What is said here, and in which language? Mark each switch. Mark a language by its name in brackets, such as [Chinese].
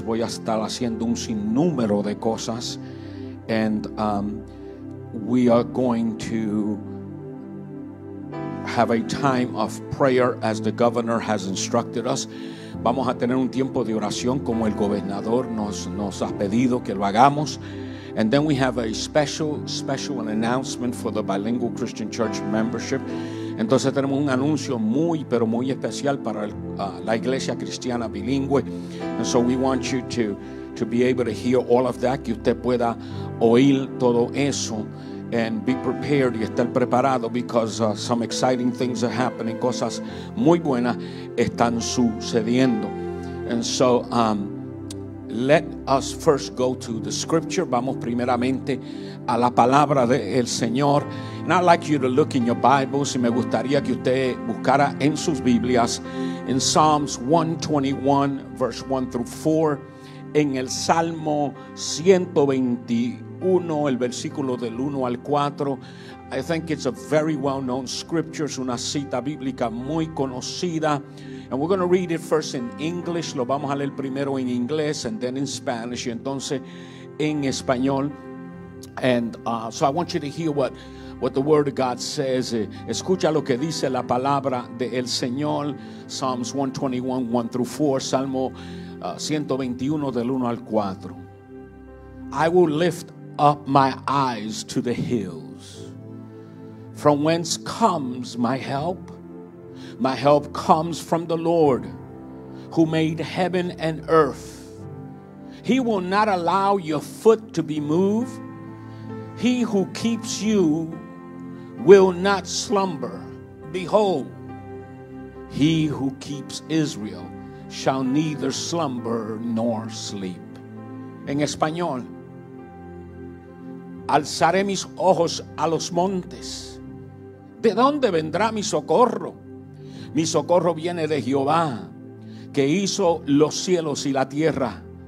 [Spanish] Voy a estar haciendo un sinnúmero de cosas, [English] and we are going to have a time of prayer as the governor has instructed us. [Spanish] Vamos a tener un tiempo de oración como el gobernador nos ha pedido que lo hagamos. [English] And then we have a special announcement for the bilingual Christian Church membership. [Spanish] Entonces tenemos un anuncio muy pero muy especial para la iglesia cristiana bilingüe. [English] And so we want you to be able to hear all of that, [Spanish] que usted pueda oír todo eso, [English] and be prepared, [Spanish] y estar preparado, [English] because some exciting things are happening. [Spanish] Cosas muy buenas están sucediendo. [English] And so let us first go to the scripture. [Spanish] Vamos primeramente a la palabra del Señor. [English] And I'd like you to look in your Bibles, [Spanish] y me gustaría que usted buscara en sus Biblias, [English] in Psalms 121 verse 1-4, [Spanish] en el Salmo 121 el versículo del 1-4. [English] I think it's a very well known scripture. [Spanish] Es una cita bíblica muy conocida. [English] And we're going to read it first in English. [Spanish] Lo vamos a leer primero en inglés, [English] and then in Spanish. [Spanish] Y entonces en español. [English] And so I want you to hear what the Word of God says. [Spanish] Escucha lo que dice la palabra del Señor. [English] Psalms 121, 1-4. [Spanish] Salmo 121, del 1 al 4. [English] I will lift up my eyes to the hills. From whence comes my help? My help comes from the Lord, who made heaven and earth. He will not allow your foot to be moved. He who keeps you will not slumber. Behold, he who keeps Israel shall neither slumber nor sleep. [Spanish] En español, alzaré mis ojos a los montes. ¿De dónde vendrá mi socorro? Mi socorro viene de Jehová, que hizo los cielos y la tierra.